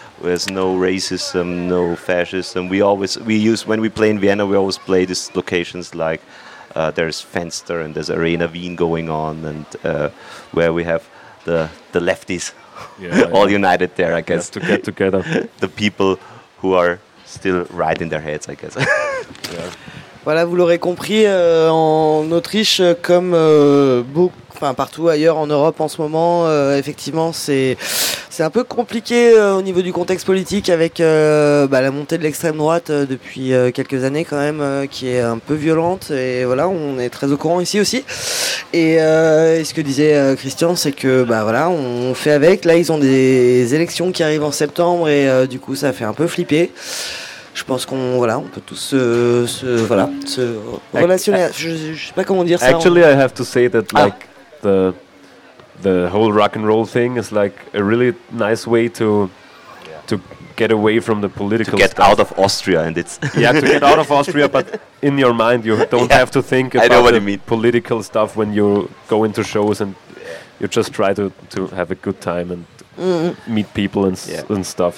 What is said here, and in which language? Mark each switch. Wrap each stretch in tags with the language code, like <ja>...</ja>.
<en>There's no racism, no fascism. When we play in Vienna, we always play these locations like there's Fenster and there's Arena Wien going on, and where we have the lefties all united there, I guess. To get together. The people who are still right in their heads, I guess.</en> <fr>Voilà, vous l'aurez compris, en Autriche, comme partout ailleurs en Europe en ce moment, effectivement, c'est un peu compliqué au niveau du contexte politique avec la montée de l'extrême droite depuis quelques années quand même, qui est un peu violente. Et voilà, on est très au courant ici aussi. Et ce que disait Christian, c'est que on fait avec. Là, ils ont des élections qui arrivent en septembre et du coup, ça fait un peu flipper. Je pense qu'on on peut tous se relationner. Je sais pas comment dire ça.</fr> <en>Actually, I have to say that the whole rock and roll thing is like a really nice way to get away from the political stuff. Out of Austria, and it's to get out of Austria, but in your mind you don't have to think about the political stuff when you go into shows and you just try to have a good time and meet people and stuff.</en>